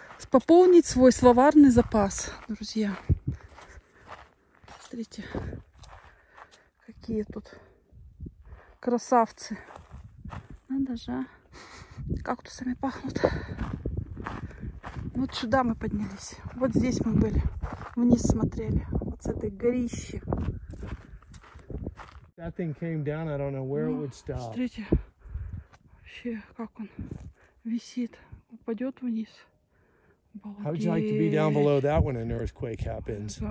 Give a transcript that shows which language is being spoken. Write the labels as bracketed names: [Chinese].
[Russian] Пополнить свой словарный запас, друзья. Смотрите, какие тут красавцы. Надо же, а? Кактусами пахнут. Вот сюда мы поднялись. Вот здесь мы были. Вниз смотрели. Вот с этой горищи. Да. [English] that thing came down, I don't know where it would stop. [Russian] Смотрите, вообще, как он висит, упадет вниз. Обалдеть. [English] How would you like to be down below that when an earthquake happens?